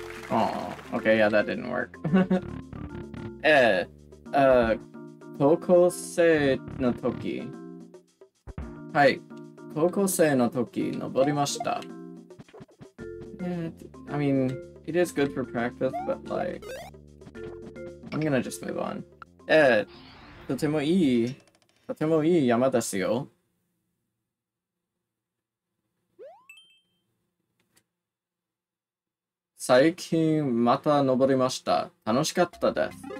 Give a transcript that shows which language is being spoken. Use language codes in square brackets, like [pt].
[en] ああ、OK、yeah, that didn't work. [ja] 高校生の時、はい、高校生の時登りました。 [en] I mean, it is good for practice, but like... I'm gonna just move on. [ja] とてもいい、とてもいい山ですよ。最近また登りました。楽しかったです。